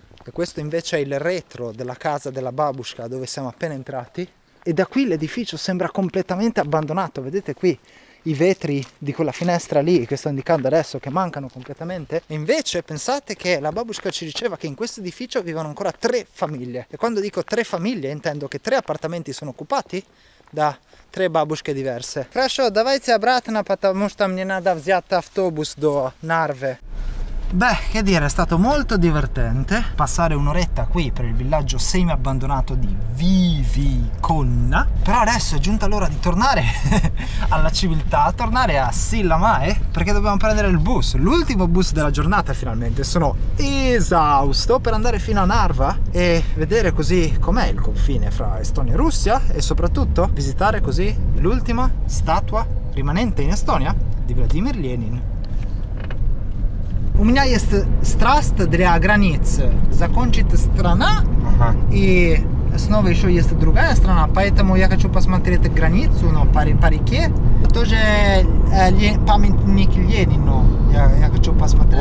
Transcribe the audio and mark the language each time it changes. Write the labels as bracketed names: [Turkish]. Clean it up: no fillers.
[Italian] Questo invece è il retro della casa della babushka dove siamo appena entrati e da qui l'edificio sembra completamente abbandonato, vedete qui i vetri di quella finestra lì che sto indicando adesso che mancano completamente e invece pensate che la babushka ci diceva che in questo edificio vivono ancora tre famiglie e quando dico tre famiglie intendo che tre appartamenti sono occupati da tre babushke diverse. [Russian] Хорошо, давайте обратно, потому что мне надо взять автобус до Нарве. [Italian] Beh, che dire, è stato molto divertente passare un'oretta qui per il villaggio semi-abbandonato di Vivikonna. Però adesso è giunta l'ora di tornare alla civiltà, tornare a Sillamäe, perché dobbiamo prendere il bus, l'ultimo bus della giornata finalmente. Sono esausto per andare fino a Narva e vedere così com'è il confine fra Estonia e Russia e soprattutto visitare così l'ultima statua rimanente in Estonia di Vladimir Lenin. [Russian] У меня есть страсть для границ. Закончить страна, и снова еще есть другая страна, поэтому я хочу посмотреть границу, но по реке. Тоже памятник Ленину я хочу посмотреть.